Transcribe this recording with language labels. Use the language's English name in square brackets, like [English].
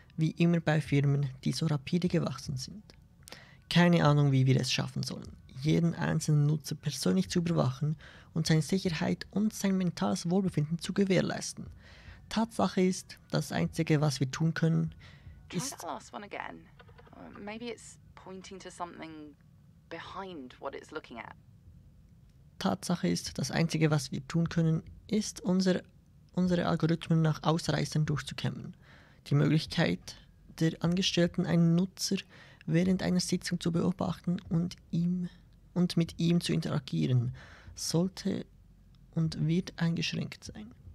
[German] Wie immer bei Firmen, die so rapide gewachsen sind. Keine Ahnung, wie wir es schaffen sollen, jeden einzelnen Nutzer persönlich zu überwachen und seine Sicherheit und sein mentales Wohlbefinden zu gewährleisten. Tatsache ist, das Einzige, was wir tun können, ist... [English] Try the last one again. Maybe it's pointing to something behind what it's looking at. [German] Tatsache ist, das Einzige, was wir tun können, ist, unsere Algorithmen nach Ausreißern durchzukämmen. Die Möglichkeit der Angestellten, einen Nutzer während einer Sitzung zu beobachten und mit ihm zu interagieren, sollte und wird eingeschränkt sein.